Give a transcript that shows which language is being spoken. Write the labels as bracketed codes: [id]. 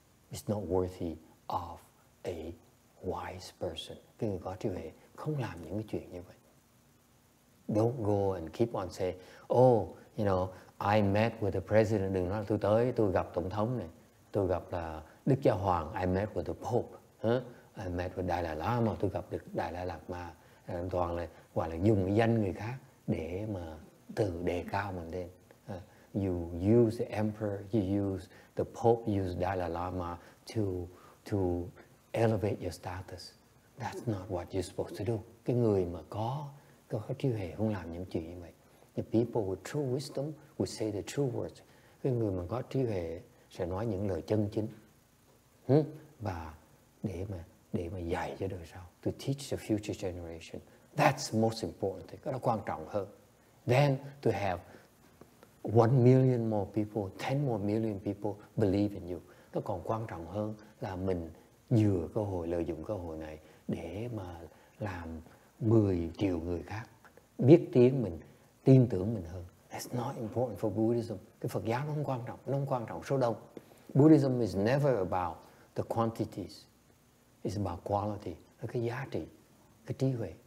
[en] It's not worthy of a wise person. [vi] Cái người có trí huệ không làm những cái chuyện như vậy. [en] Don't go and keep on say, oh, you know, I met with the president. [vi] Đừng nói là tôi gặp tổng thống này, tôi gặp là Đức Giáo Hoàng. [en] I met with the Pope. I met with [vi] Đại Lạt Lama. Tôi gặp được Đại Lạt Lama. Toàn là gọi là dùng danh người khác để mà tự đề cao mình lên. [en] You use the emperor, you use the Pope, you use Dalai Lama to elevate your status. That's not what you're supposed to do. [vi] Cái người mà có trí huệ không làm những chuyện như vậy. [en] The people with true wisdom will say the true words. [vi] Cái người mà có trí huệ sẽ nói những lời chân chính. Và để mà dạy cho đời sau. [en] To teach the future generation. That's the most important thing. [vi] Cái đó quan trọng hơn. [en] Then to have 1 million more people, 10 more million people believe in you. [vi] Nó còn quan trọng hơn là mình dựa cơ hội, lợi dụng cơ hội này để mà làm 10 triệu người khác biết tiếng mình, tin tưởng mình hơn. [en] That's not important for Buddhism. [vi] Cái Phật giáo nó không quan trọng, nó không quan trọng số đông. [en] Buddhism is never about the quantities. It's about quality, [vi] cái giá trị, cái trí huệ.